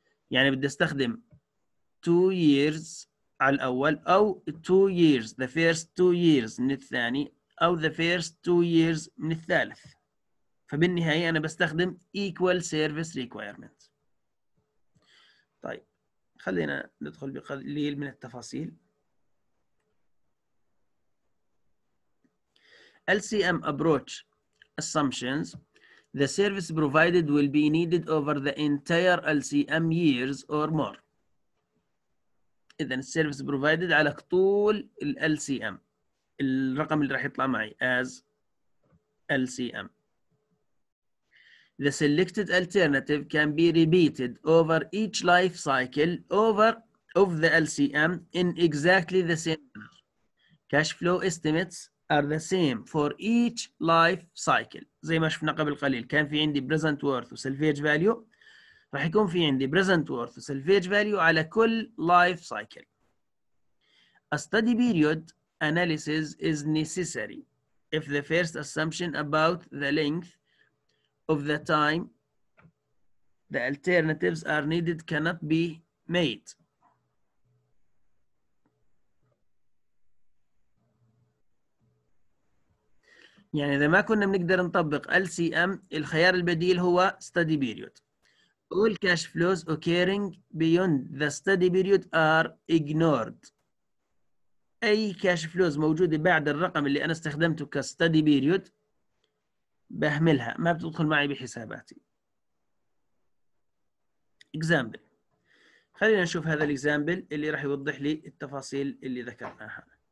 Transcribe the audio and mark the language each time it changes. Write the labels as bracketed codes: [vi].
[ar] يعني بدي استخدم 2 years على الأول أو [en] 2 years the first 2 years [ar] من الثاني أو [en] the first 2 years [ar] من الثالث، فبالنهاية أنا بستخدم [en] equal service requirement. [ar] طيب خلينا ندخل بقليل من التفاصيل. [en] LCM approach assumptions the service provided will be needed over the entire LCM years or more. [ar] إذا السيرفيس بروفايدد على طول ال LCM الرقم اللي راح يطلع معي [en] as LCM. The selected alternative can be repeated over each life cycle over of the LCM in exactly the same. Cash flow estimates are the same for each life cycle. [ar] زي ما شفنا قبل قليل كان في عندي present worth و salvage value. راح يكون في عندي present worth و salvage value على كل life cycle. [en] A study period analysis is necessary if the first assumption about the length of the time the alternatives are needed cannot be made. [ar] يعني إذا ما كنا بنقدر نطبق LCM الخيار البديل هو study period. [en] All cash flows occurring beyond the study period are ignored. [ar] أي cash flows موجودة بعد الرقم اللي أنا استخدمته ك study period بهملها، ما بتدخل معي بحساباتي. [en] Example. [ar] خلينا نشوف هذا الـ example اللي راح يوضح لي التفاصيل اللي ذكرناها.